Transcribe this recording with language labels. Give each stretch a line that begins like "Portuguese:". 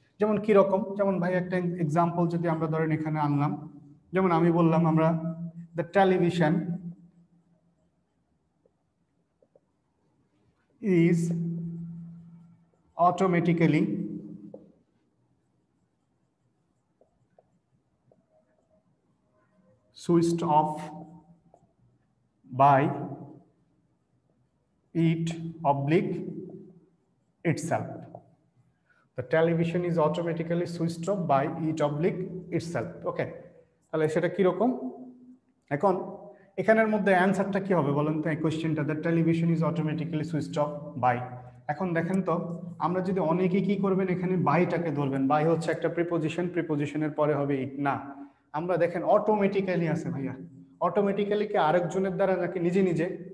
Bangla: যেমন কি রকম, যেমন ভাই একটা এক্সাম্পল যদি আমরা ধরেন এখানে আনলাম, যেমন আমি বললাম আমরা
English: The television is automatically switched off by it oblique itself. The television is automatically switched off by it oblique itself.
Bangla: Okay, তাহলে সেটা কিরকম? এখন এখানের মধ্যে অ্যান্সারটা কি হবে বলেন তো, এই কোয়েশ্চেনটা,
English: The television is automatically switched off by.
Bangla: এখন দেখেন তো আমরা যদি অনেকে কি করবেন, এখানে বাইটাকে ধরবেন, বাই হচ্ছে একটা প্রিপোজিশন, প্রিপোজিশনের পরে হবে ইট, না আমরা দেখেন অটোমেটিক্যালি আছে ভাইয়া, অটোমেটিক্যালি কি আরেকজনের দ্বারা নাকি নিজে নিজে?